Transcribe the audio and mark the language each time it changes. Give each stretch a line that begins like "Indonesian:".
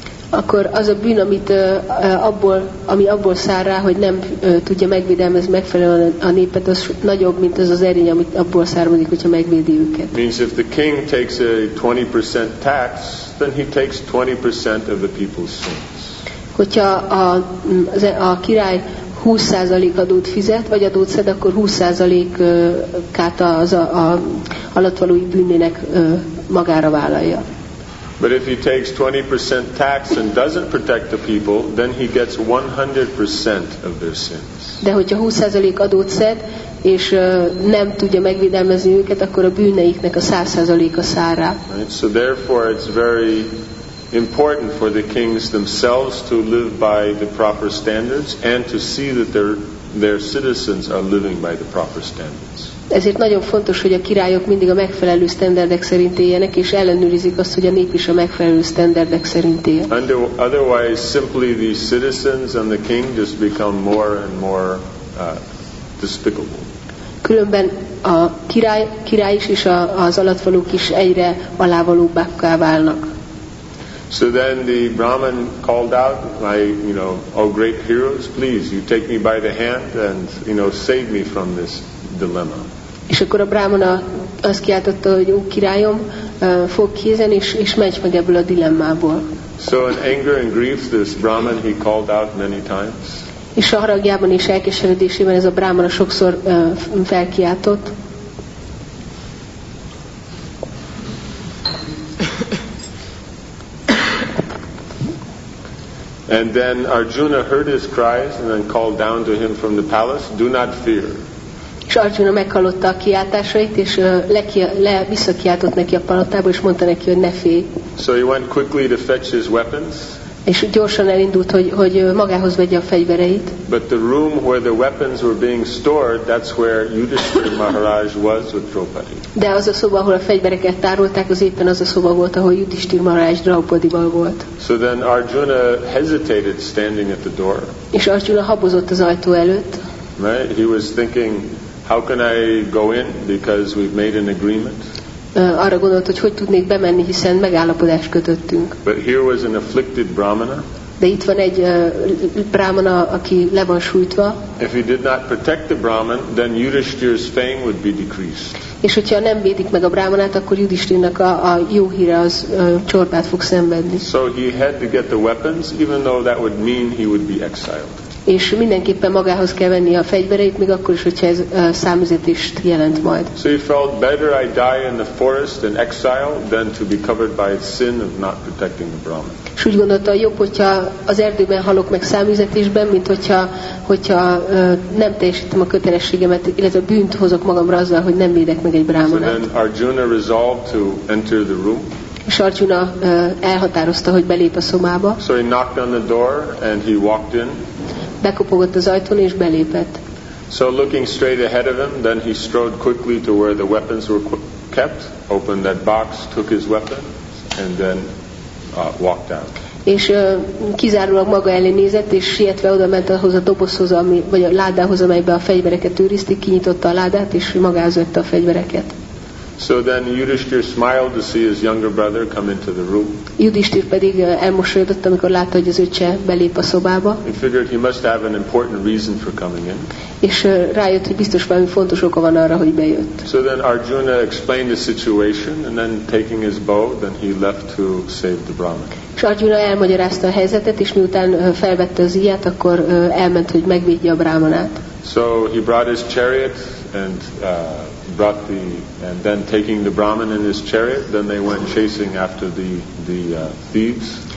Hungarian: Akkor az a bűn, ami abból szár rá, hogy nem tudja megvédelmezni megfelelően a népet, az nagyobb, mint az az erény, amit abból származik, hogyha megvédi őket.
English: Means if the king takes a 20% tax, then he takes 20% of the people's sins.
Hungarian: hogyha a király 20% adót fizet, vagy adót szed, akkor 20%-át az a alattvalói bűnének magára vállalja.
English: But if he takes 20% tax and doesn't protect the people, then he gets 100% of their sins.
Hungarian: De hogyha 20% adót szed, és nem tudja megvédelmezni őket, akkor a bűneiknek a 100%-a szár rá.
English: So therefore it's very important for the kings themselves to live by the proper standards and to see that their citizens are living by the proper standards.
Hungarian: Ezért nagyon fontos, hogy a királyok mindig a megfelelő standardek szerint éljenek, és ellenőrizik azt, hogy a nép is a megfelelő standardek szerint él.
English: Otherwise, simply these citizens and the king just become more and more despicable.
Hungarian: Különben a király is és az alattvalók is egyre alávalóbbá válnak.
English: So then the Brahman called out, "O great heroes, please, you take me by the hand and save me from this dilemma."
Hungarian: És akkor a brámana azt kiáltotta, hogy ó királyom, fog kézen és megy meg ebből a dilemmából.
English: So in anger and grief, this Brahman, he called out many times.
Hungarian: És a haragjában és elkeseredésében ez a brámana sokszor felkiáltott.
English: And then Arjuna heard his cries and then called down to him from the palace, "Do not fear."
Hungarian: És Arjuna meghallotta a kiáltásait, és visszakiáltott neki a palotába, és mondta neki, hogy ne félj.
English: So he went quickly to fetch his weapons.
Hungarian: És gyorsan elindult, hogy magához vegye a fegyvereit.
English: But the room where the weapons were being stored, that's where Yudhishthira Maharaj was with Draupadi.
Hungarian: De az a szoba, ahol a fegyvereket tárolták, az éppen az a szoba volt, ahol Yudhishthira Maharaj Draupadival volt.
English: So then Arjuna hesitated standing at the door.
Hungarian: És Arjuna habozott az ajtó előtt.
English: Right? He was thinking, how can I go in because we've made an agreement?
Hungarian: Arra gondolt, hogy tudnék bemenni, hiszen megállapodást kötöttünk.
English: But here was an afflicted brahmana.
Hungarian: De itt van egy brahmana, aki le van sújtva.
English: If he did not protect the brahman, then Yudhishthira's fame would be decreased.
Hungarian: És hogyha nem védik meg a brahmanát, akkor Yudhishthirának a jó híre az csorbát fog szenvedni.
English: So he had to get the weapons, even though that would mean he would be exiled.
Hungarian: És mindenképpen magához kell venni a fegyvereit, még akkor is, hogyha ez számüzetést jelent majd.
English: So he felt better I die in the forest in exile than to be covered by its sin of not protecting the brahman.
Hungarian: És úgy gondolta, jobb, hogyha az erdőben halok meg számüzetésben, mint hogyha nem teljesítem a kötelességemet, illetve bűnt hozok magamra azzal, hogy nem védek meg egy brahmanát.
English: So then Arjuna resolved to enter the room.
Hungarian: És Arjuna elhatározta, hogy belép a szobába.
English: So he knocked on the door and he walked in.
Hungarian: Bekopogott az ajtón és belépett.
English: So looking straight ahead of him, then he strode quickly to where the weapons were kept, opened that box, took his weapon, and then walked out.
Hungarian: És kizárólag maga elé nézett, és sietve oda ment ahhoz a dobozhoz, vagy a ládához, amelyben a fegyvereket őrizték, kinyitotta a ládát, és magához vette a fegyvereket.
English: So then Yudhishthira smiled to see his younger brother come into the room.
Hungarian: Yudhishthir pedig elmosolyodott, amikor látta, hogy az öccse belép a szobába.
English: He figured he must have an important reason for coming in.
Hungarian: És rájött, hogy biztos valami fontos oka van arra, hogy bejött.
English: So then Arjuna explained the situation and then taking his bow, then he left to save the brahman.
Hungarian: És Arjuna elmagyarázta a helyzetet, és miután felvette az íját, akkor elment, hogy megvédje a brahmanát.
English: So he brought his chariot and brought the and then taking the brahman in his chariot, then they went chasing after the thieves.